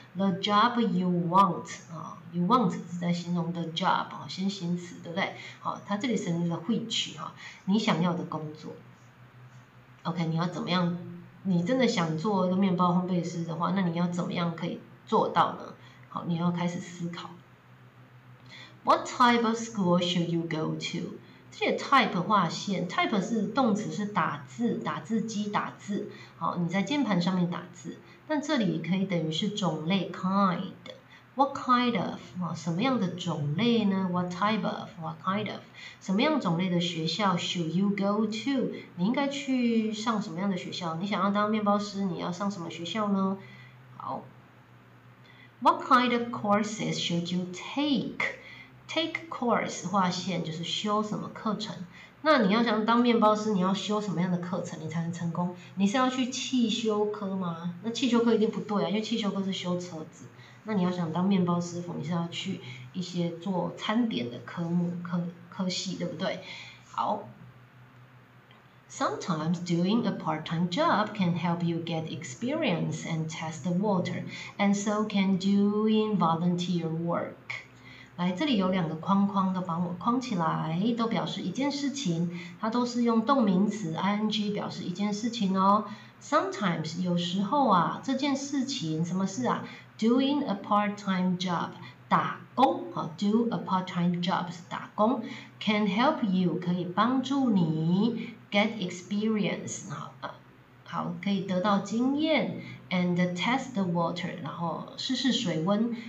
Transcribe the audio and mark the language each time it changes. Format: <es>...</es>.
<en>The job you want, you want</en> <zh>是在形容</zh> <en>the job,</en> <zh>先行词，对不对？好，它这里是用的</zh> <en>which,</en> <zh>你想要的工作。OK, 你要怎么样？你真的想做一个面包烘焙师的话，那你要怎么样可以做到呢？好，你要开始思考。</zh> <en>What type of school should you go to?</en> <zh>这些 type 划线 ，type 是动词，是打字，打字机打字。好，你在键盘上面打字，但这里可以等于是种类 kind。</zh> <en>What kind of?</en> <zh>什么样的种类呢</zh> <en>？What type of? What kind of?</en> <zh>什么样种类的学校</zh> <en>should you go to?</en> <zh>你应该去上什么样的学校？你想要当面包师，你要上什么学校呢？</zh> <en>好。What kind of courses should you take? Take course</en> <zh>划线就是修什么课程？那你要想当面包师，你要修什么样的课程，你才能成功？你是要去汽修科吗？那汽修科一定不对啊，因为汽修科是修车子。那你要想当面包师傅，你是要去一些做餐点的科系，对不对？好。</zh> <en>Sometimes doing a part-time job can help you get experience and test the water, and so can doing volunteer work.</en> <zh>来，这里有两个框框都帮我框起来，都表示一件事情，它都是用动名词 ing 表示一件事情哦。</zh> <en>Sometimes</en> <zh>有时候啊，这件事情什么事啊</zh> <en>？Doing a part-time job</en> <zh>打工啊</zh> <en>，do a part-time job</en> <zh>是打工</zh> <en>，can help you</en> <zh>可以帮助你</zh> <en>get experience</en> <zh>好，可以得到经验</zh> <en>，and test the water，</en> <zh>然后试试水温。</zh>